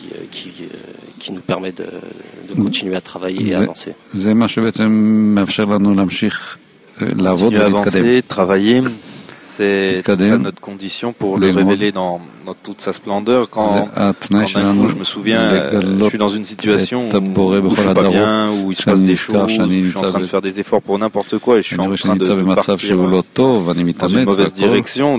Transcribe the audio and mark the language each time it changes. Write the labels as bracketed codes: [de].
[fr] qui nous permet de continuer à travailler et avancer. [he] זה מה שבעצם מאפשר לנו להמשיך לעבוד ולהתקדם. [fr] Avancer, travailler, c'est notre condition pour le révéler dans toute sa splendeur. Quand je me souviens, je suis dans une situation où je suis pas bien, où il se passe des choses, je suis en train de faire des efforts pour n'importe quoi et je suis en train de partir dans une mauvaise direction.